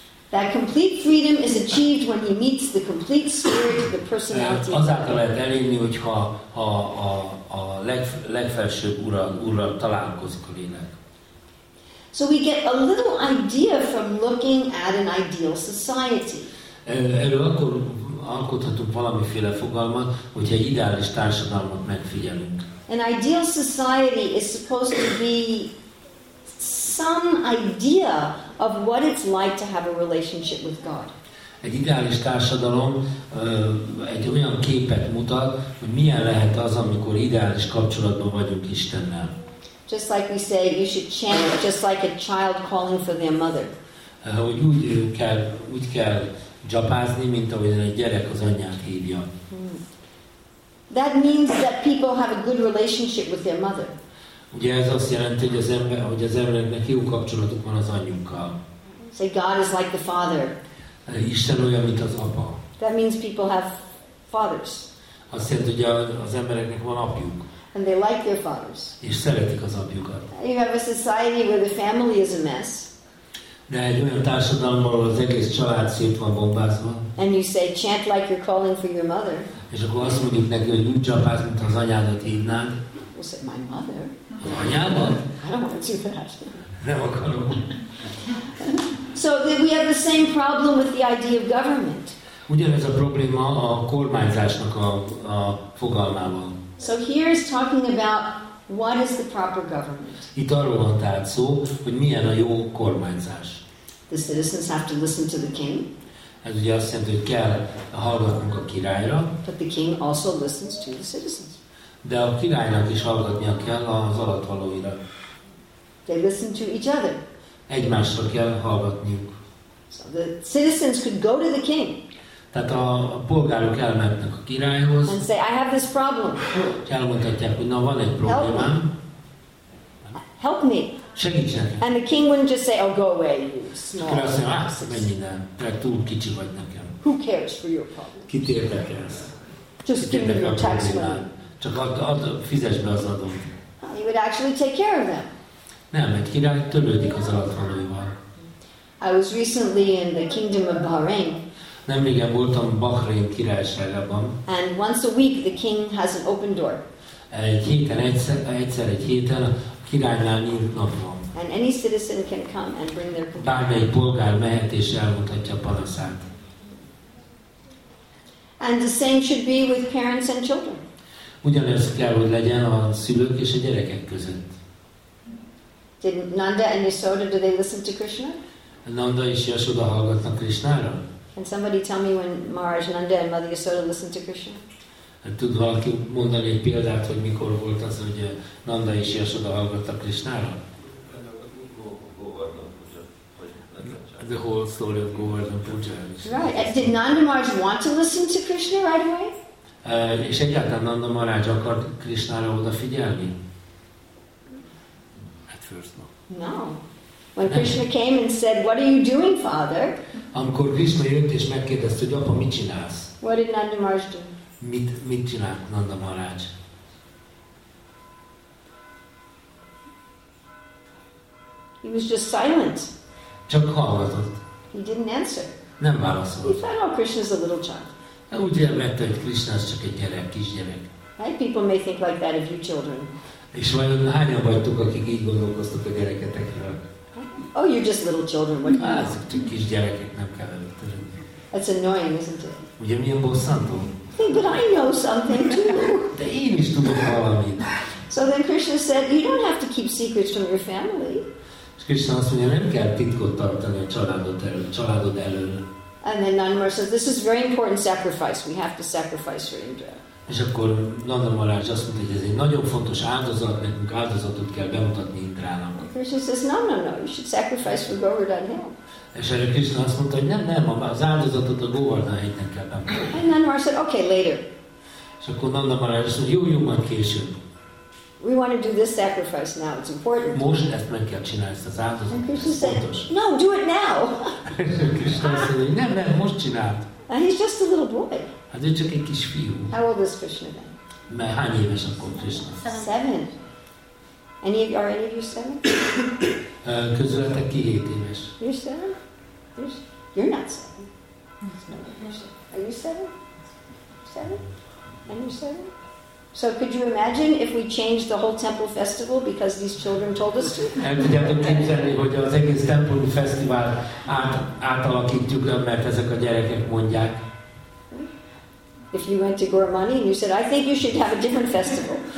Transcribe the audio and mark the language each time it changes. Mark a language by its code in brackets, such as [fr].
[en] that complete freedom is achieved when he meets the complete spirit, the personality. [hu] Azáltal lehet elérni, hogyha a legfelsőbb úrral találkozik a lélek. [en] So we get a little idea from looking at an ideal society. [hu] Erről akkor alkothatunk valamiféle fogalmat, hogyha egy ideális társadalmat megfigyelünk. [en] An ideal society is supposed to be some idea of what it's like to have a relationship with God. [hu] Egy ideális társadalom egy olyan képet mutat, hogy milyen lehet az, amikor ideális kapcsolatban vagyunk Istennel. [en] Just like we say, you should chant, just like a child calling for their mother. [hu] Hogy úgy kell japázni, mint ahogy egy gyerek az anyját hívja. [en] That means that people have a good relationship with their mother. [hu] Ugye ez azt jelenti, hogy az embernek jó kapcsolatuk van az anyunkkal. [en] Say God is like the father. [hu] Isten olyan, mint az apa. [en] That means people have fathers. [hu] Azt jelenti, hogy az embereknek van apjuk. [en] And they like their fathers. [hu] És szeretik az apjukat. [en] You have a society where the family is a mess. [hu] De egy olyan társadalomban, ahol az egész család szét van bombázva. [en] And you say chant like you're calling for your mother. [hu] És akkor azt mondjuk neki, hogy úgy csapázz, mint az anyádat hívnád. [en] We'll say my mother. [hu] Anyában? [en] I don't want to do that. [hu] Nem akarom. [en] So we have the same problem with the idea of government. [hu] Ugyanez a probléma a kormányzásnak a fogalmával. [en] So here is talking about what is the proper government. [hu] Itt arról van tehát szó, hogy milyen a jó kormányzás. [en] The citizens have to listen to the king. [hu] Ez ugye azt jelenti, hogy kell hallgatnunk a királyra. [en] But the king also listens to the citizens. [hu] De a királynak is hallgatnia kell az alattvalóira. [en] They listen to each other. [hu] Egymásra kell hallgatniuk. [en] So the citizens could go to the king. [hu] Tehát a polgárok elmentek a királyhoz. [en] And say, I have this problem. [hu] Elmondhatják, hogy na, van egy problémám. [en] Help me. [hu] Segítsen. [en] And the king wouldn't just say, oh, go away, you snob. [hu] Te túl kicsi vagy nekem. [en] Who cares for your problems? [hu] Kit érdekelsz? [en] Just give me your tax money. [hu] Csak ad, fizess be az adót. [en] He would actually take care of them. [hu] Nem, egy király törődik az adatvalóival. [en] I was recently in the kingdom of Bahrain. [hu] Nemrégen voltam Bahrain királyságában. [en] And once a week the king has an open door. [hu] Egy héten a királynál nyílt nap van. [en] And any citizen can come and bring their complaint. [hu] Bármely polgár mehet és elmondhatja panaszát. [en] And the same should be with parents and children. [hu] Ugyanez kell, hogy legyen a szülők és a gyerekek között. [en] Did Nanda and Yashoda, do they listen to Krishna? [hu] Nanda és Yashoda hallgatnak Krishnára? [en] Can somebody tell me when Maharaj Nanda and Mother Yashoda listen to Krishna? [hu] Tud valaki mondani egy példát, hogy mikor volt az, hogy Nanda és Yashoda hallgattak Krishnára? [en] The whole story of Govardhan Puja. Right. Did Nanda Maharaj want to listen to Krishna right away? [hu] És egyáltalán Nanda Maharaj akart Krishnára odafigyelni? [en] At first, no. No. When Krishna came and said, "What are you doing, Father?" [hu] Amikor Krishna jött és megkérdezte, hogy apa, mit csinálsz? [en] What did Nanda Maharaj do? [hu] Mit csinált Nanda Maharaj? [en] He was just silent. [hu] Csak hallgatott. [en] He didn't answer. [hu] Nem válaszolt. [en] He thought, "Oh, Krishna's a little child." [hu] Úgy elmette, hogy Krishna csak egy gyerek, kisgyerek. [en] Why people may think like that of you children? [hu] És vajon hányan vagytok, akik így gondolkoztok a gyereketekről? [en] Oh, you're just little children. What? [hu] Azok csak kisgyerekek, nem kell előttetni. [en] That's annoying, isn't it? [hu] Ugye milyen bosszantó? [en] But I know something too. [hu] De én is tudok valamit. [en] So then Krishna said, you don't have to keep secrets from your family. [hu] És Krishna azt mondja, nem kell titkot tartani a családod elől. [en] And then Nanda Maharaj says, this is a very important sacrifice. We have to sacrifice for Indra. [hu] És akkor Nanda Maharaj azt mondta, hogy ez egy nagyon fontos áldozat, nekünk áldozatot kell bemutatni Indrának. [en] Krishna says, no, you should sacrifice for Govardhan Hill. [hu] És erre Krishna azt mondta, hogy nem, az áldozatot a Govardhan Hill-nek kell bemutatni. [en] And Nanda Maharaj said, okay, later. [hu] És akkor Nanda Maharaj azt mondta, jó, majd később. [en] We want to do this sacrifice now, it's important. [hu] Most ezt meg kell csinálni, ezt az áldozatot. [en] And Krishna said, no, do it now. [hu] Krishna azt mondja, nem, most csináld. [en] And he's just a little boy. [hu] Hát ő csak egy kis fiú. [en] How old is Krishna then? [hu] Mert hány éves akkor Krishna? [en] Seven. Are any of you seven? [hu] Közületek ki 7 éves. [en] You're seven? You're not seven. Are you seven? And you're seven? So could you imagine if we changed the whole temple festival because these children told us to? [hu] El tudjátok képzelni, hogy az egész templomi fesztivál átalakítjuk, mert ezek a gyerekek mondják. [en] If you went to Gormani and you said, I think you should have a different festival.